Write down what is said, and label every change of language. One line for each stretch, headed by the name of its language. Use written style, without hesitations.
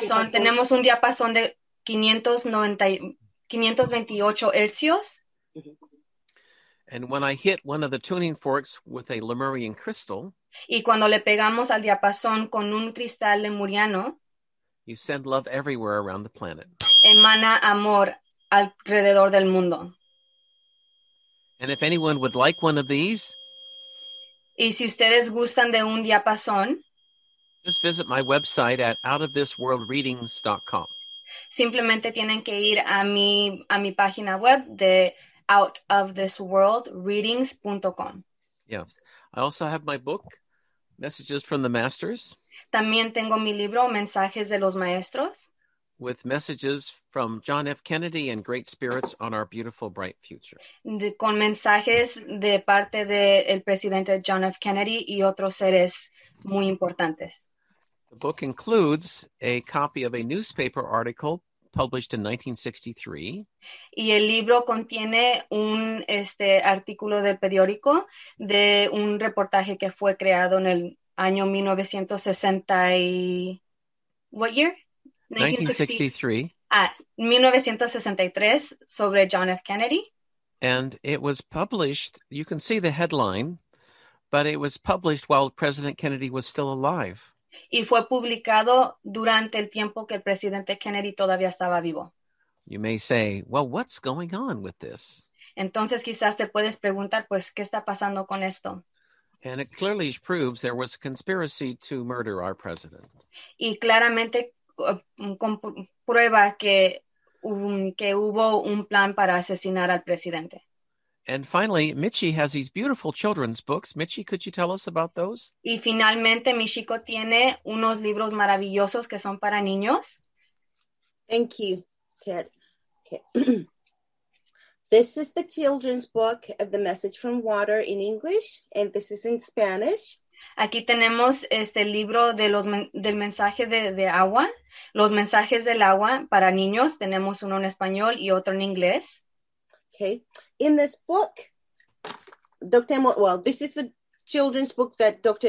Spanish: Tenemos un diapasón de 528 hercios.
English: And when I hit one of the tuning forks with a Lemurian crystal,
Spanish: y cuando le pegamos al diapasón con un cristal lemuriano,
English: you send love everywhere around the planet.
Spanish: Emana amor alrededor del mundo.
English: And if anyone would like one of these,
Spanish: y si ustedes gustan de un diapasón,
English: just visit my website at outofthisworldreadings.com.
Spanish: Simplemente tienen que ir a mi página web de outofthisworldreadings.com.
English: Yes. I also have my book, Messages from the Masters.
Spanish: También tengo mi libro, Mensajes de los Maestros.
English: With messages from John F. Kennedy and great spirits on our beautiful, bright future.
Spanish: Con mensajes de parte del presidente John F. Kennedy y otros seres muy importantes.
English: The book includes a copy of a newspaper article published in 1963.
Spanish: Y el libro contiene un artículo del periódico de un reportaje que fue creado en el año 1963 sobre John F. Kennedy.
English: And it was published, you can see the headline, But it was published while President Kennedy was still alive.
Spanish: Y fue publicado durante el tiempo que el presidente Kennedy todavía estaba vivo.
English: You may say, well, what's going on with this?
Spanish: Entonces quizás te puedes preguntar, pues, ¿qué está pasando con esto?
English: And it clearly proves there was a conspiracy to murder our president.
Spanish: Y claramente comprueba que hubo un plan para asesinar al presidente.
English: And finally, Michi has these beautiful children's books. Michi, could you tell us about those?
Spanish: Y finalmente, mi chico tiene unos libros maravillosos que son para niños.
English: Thank you, Kit. Okay. This is the children's book of The Message from Water in English, and this is in Spanish.
Spanish: Aquí tenemos este libro de los del mensaje de agua, los mensajes del agua para niños. Tenemos uno en español y otro en inglés.
English: Okay. In this book, this is the children's book that Dr.